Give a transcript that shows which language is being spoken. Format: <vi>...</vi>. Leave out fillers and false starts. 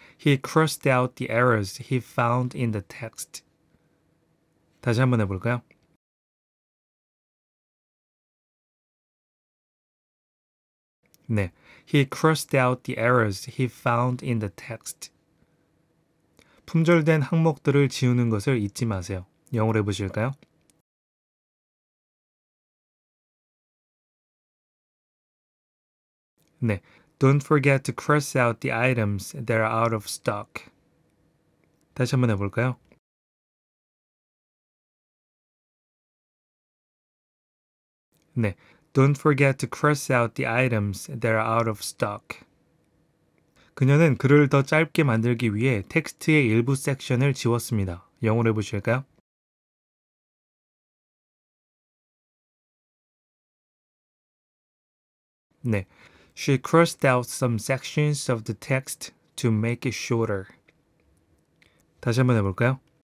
<en>He crossed out the errors he found in the text.</en> <ko>다시 한번 해볼까요? 네.</ko> <en>He crossed out the errors he found in the text.</en> <ko>품절된 항목들을 지우는 것을 잊지 마세요. 영어로 해보실까요? 네.</ko> <en>Don't forget to cross out the items that are out of stock.</en> <ko>다시 한번 해볼까요? 네.</ko> <en>Don't forget to cross out the items that are out of stock.</en> <ko>그녀는 글을 더 짧게 만들기 위해 텍스트의 일부 섹션을 지웠습니다. 영어로 해보실까요? 네.</ko> <en>She crossed out some sections of the text to make it shorter.</en> <ko>다시 한번 해볼까요?</ko>